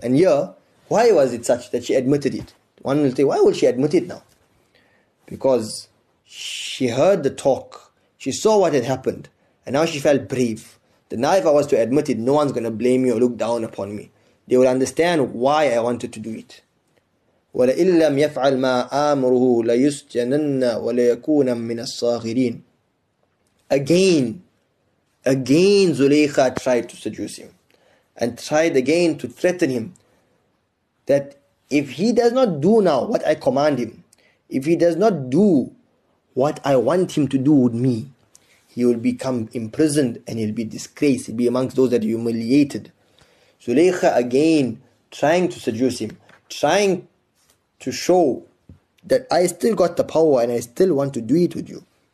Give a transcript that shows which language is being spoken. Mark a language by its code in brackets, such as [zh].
[en] And here, why was it such that she admitted it? One will say, why will she admit it now? Because she heard the talk. She saw what had happened. And now she felt brave. That now if I was to admit it, no one's going to blame me or look down upon me. They will understand why I wanted to do it. [ar] وَلَئِنْ لَمْ يَفْعَلْ مَا آمُرُهُ لَيُسْجَنَنَّ وَلَيَكُونَ مِّنَ الصَّاغِرِينَ [en] Again, Zulaykha tried to seduce him. And tried again to threaten him. That if he does not do now what I command him, if he does not do what I want him to do with me, he will become imprisoned and he'll be disgraced. He'll be amongst those that are humiliated. Zulaykha again trying to seduce him, trying to show that I still got the power and I still want to do it with you.